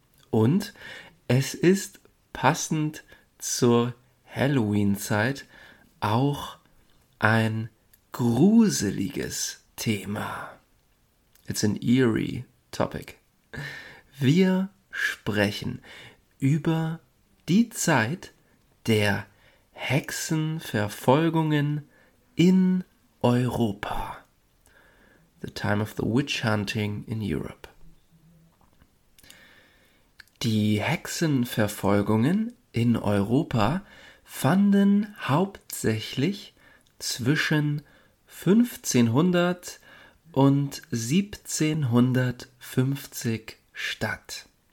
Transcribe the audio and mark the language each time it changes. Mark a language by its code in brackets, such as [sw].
[de] Und es ist passend zur Halloween-Zeit auch ein gruseliges Thema. [en] It's an eerie topic. [de] Wir sprechen über die Zeit der Hexenverfolgungen in Europa. [en] The time of the witch hunting in Europe. [de] Die Hexenverfolgungen in Europa fanden hauptsächlich zwischen 1500 und 1750 statt.